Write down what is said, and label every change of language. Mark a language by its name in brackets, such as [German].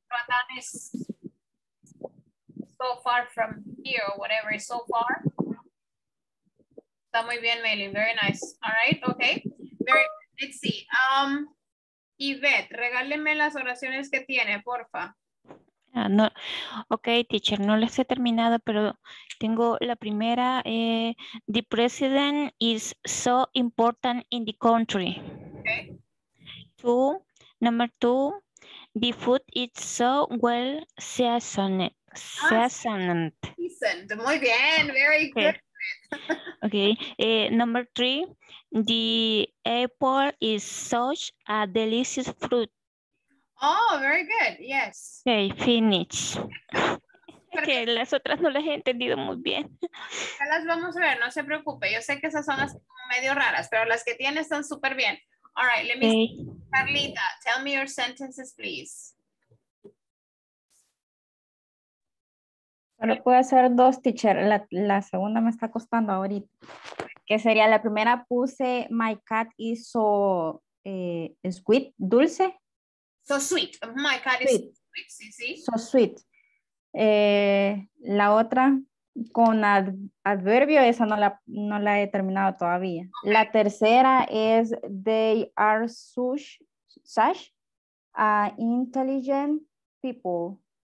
[English] Ratan is so far from here or whatever, so far. [Spanish] Está muy bien, Meli. [English] Very nice. All right. Okay. Very good. Let's see. [Spanish] Yvette, regáleme las oraciones que tiene, porfa. [English] No. Okay, teacher. [Spanish] No les he terminado, pero tengo la primera. [English] The president is so important in the country. Okay. Two. Number two. The food is so well seasoned. Seasoned. [Spanish] Muy bien. [English] Very okay. Good. Okay, number three, the apple is such a delicious fruit. Oh, very good, yes. Okay, finish. [Spanish] Okay, las otras no las he entendido muy bien. Ya las vamos a ver, no se preocupe. Yo sé que esas son las medio raras, pero las que tiene están súper bien. [English] All right, let me see. Carlita, tell me your sentences, please. [Spanish] Solo puedo hacer dos, teacher. La segunda me está costando ahorita. Que sería la primera, puse [English] my cat is so sweet, [Spanish] dulce. [English] So sweet. My cat sweet. Is so sweet. So sweet. [Spanish] La otra con adverbio, esa no la he terminado todavía. [English] Okay. [Spanish] La tercera es [English] they are such intelligent people.